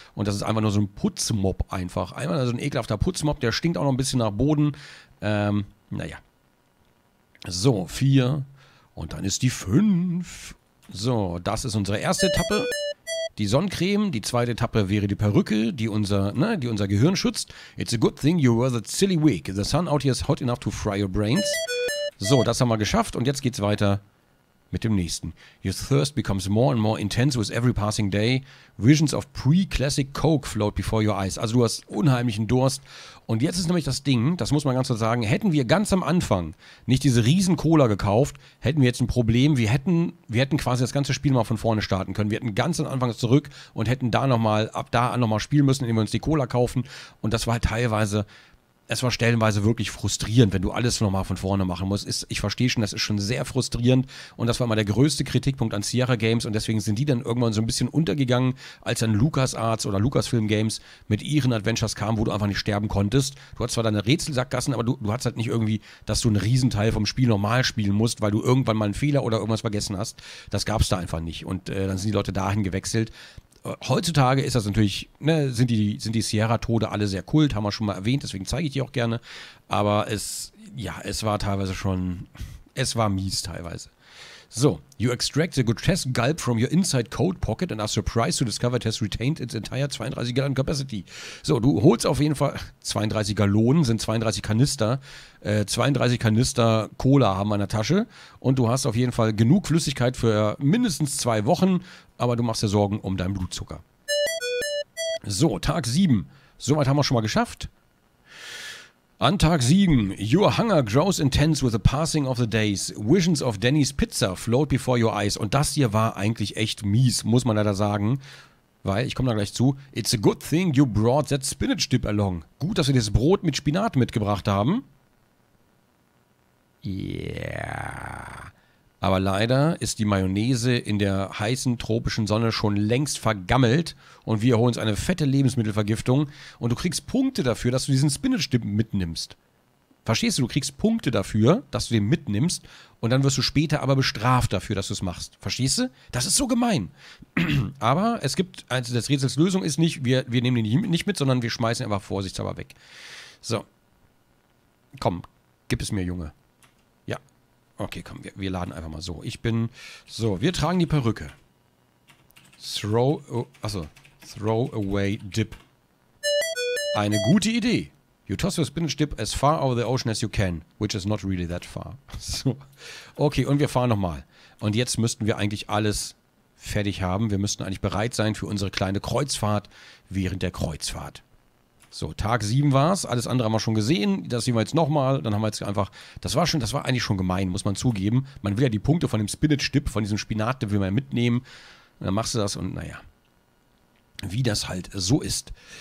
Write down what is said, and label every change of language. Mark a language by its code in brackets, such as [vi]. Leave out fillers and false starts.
[de] Und das ist einfach nur so ein Putzmob einfach. Einmal so ein ekelhafter Putzmob, der stinkt auch noch ein bisschen nach Boden. Naja. So, 4... Und dann ist die 5. So, das ist unsere erste Etappe. Die Sonnencreme. Die zweite Etappe wäre die Perücke, die unser Gehirn schützt. [en] It's a good thing you were the silly wig. The sun out here is hot enough to fry your brains. [de] So, das haben wir geschafft. Und jetzt geht's weiter mit dem nächsten. [en] Your thirst becomes more and more intense with every passing day. Visions of pre-classic Coke float before your eyes. [de] Also du hast unheimlichen Durst. Und jetzt ist nämlich das Ding, das muss man ganz klar sagen, hätten wir ganz am Anfang nicht diese riesen Cola gekauft, hätten wir jetzt ein Problem. Wir hätten quasi das ganze Spiel mal von vorne starten können. Wir hätten ganz am Anfang zurück und hätten da nochmal, ab da an nochmal spielen müssen, indem wir uns die Cola kaufen. Und das war teilweise... Es war stellenweise wirklich frustrierend, wenn du alles nochmal von vorne machen musst. Ich verstehe schon, das ist schon sehr frustrierend. Und das war immer der größte Kritikpunkt an Sierra Games. Und deswegen sind die dann irgendwann so ein bisschen untergegangen, als dann LucasArts oder Lucasfilm Games mit ihren Adventures kamen, wo du einfach nicht sterben konntest. Du hast zwar deine Rätselsackgassen, aber du hast halt nicht irgendwie, dass du einen Riesenteil vom Spiel normal spielen musst, weil du irgendwann mal einen Fehler oder irgendwas vergessen hast. Das gab es da einfach nicht. Und dann sind die Leute dahin gewechselt. Heutzutage ist das natürlich, ne, sind die Sierra-Tode alle sehr Kult, haben wir schon mal erwähnt, deswegen zeige ich die auch gerne. Aber es war mies teilweise. [en] So, you extract a grotesque gulp from your inside coat pocket and are surprised to discover it has retained its entire 32 Gallon capacity. [de] So, du holst auf jeden Fall 32 Gallonen, sind 32 Kanister. 32 Kanister Cola haben wir in der Tasche und du hast auf jeden Fall genug Flüssigkeit für mindestens 2 Wochen, aber du machst dir Sorgen um deinen Blutzucker. So, Tag 7. Soweit haben wir schon mal geschafft. An Tag 7, [en] your hunger grows intense with the passing of the days. Visions of Denny's Pizza float before your eyes. [de] Und das hier war eigentlich echt mies, muss man leider sagen. Weil, ich komme da gleich zu, [en] it's a good thing you brought that spinach dip along. [de] Gut, dass wir das Brot mit Spinat mitgebracht haben. Yeah. Aber leider ist die Mayonnaise in der heißen tropischen Sonne schon längst vergammelt und wir holen uns eine fette Lebensmittelvergiftung und du kriegst Punkte dafür, dass du diesen Spinach-Dip mitnimmst. Verstehst du? Du kriegst Punkte dafür, dass du den mitnimmst und dann wirst du später aber bestraft dafür, dass du es machst. Verstehst du? Das ist so gemein. Aber es gibt, also das Rätsels Lösung ist nicht, wir nehmen den nicht mit, sondern wir schmeißen ihn einfach vorsichtshalber weg. So. Komm, gib es mir, Junge. Okay, komm, wir laden einfach mal so. So, wir tragen die Perücke. [en] Throw away dip. [de] Eine gute Idee. [en] You toss your spinach dip as far over the ocean as you can, which is not really that far. [de] So. Okay, und wir fahren nochmal. Und jetzt müssten wir eigentlich alles fertig haben. Wir müssten eigentlich bereit sein für unsere kleine Kreuzfahrt während der Kreuzfahrt. So, Tag 7 war's, alles andere haben wir schon gesehen, das sehen wir jetzt nochmal, dann haben wir jetzt einfach, das war eigentlich schon gemein, muss man zugeben, man will ja die Punkte von dem Spinach-Dip, von diesem Spinat, den will man mitnehmen, und dann machst du das und naja, wie das halt so ist.